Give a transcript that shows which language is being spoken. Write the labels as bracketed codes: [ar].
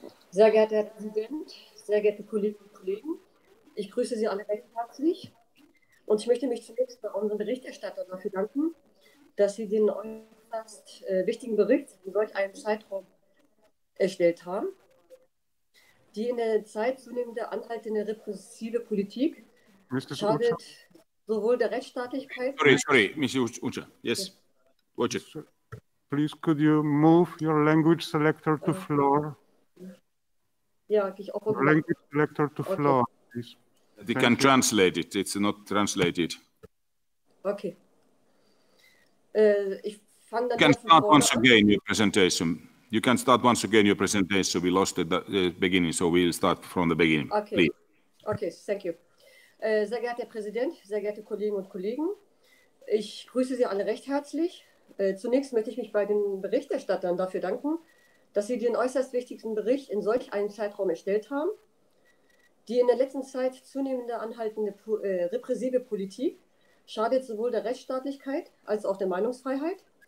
[de] Sehr geehrter Herr Präsident, sehr geehrte Kolleginnen und Kollegen, ich grüße Sie alle recht herzlich und ich möchte mich zunächst bei unserem Berichterstatter dafür danken, dass Sie den äußerst wichtigen Bericht in solch einem Zeitraum erstellt haben. Die in der Zeit zunehmende anhaltende repressive Politik schadet sowohl der Rechtsstaatlichkeit... [en] Sorry, Mr. Uca. Yes, watch it. Please, could you move your language selector to floor? Language selector to floor, please. They can translate it. It's not translated. Okay. You can start once again your presentation. You can start once again your presentation. We lost it at the beginning, so we'll start from the beginning. Okay. Please. Okay, thank you. [de] Sehr geehrter Herr Präsident, sehr geehrte Kolleginnen und Kollegen, ich grüße Sie alle recht herzlich. Zunächst möchte ich mich bei den Berichterstattern dafür danken, dass Sie den äußerst wichtigsten Bericht in solch einem Zeitraum erstellt haben. Die in der letzten Zeit zunehmende anhaltende repressive Politik schadet sowohl der Rechtsstaatlichkeit als auch der Meinungsfreiheit.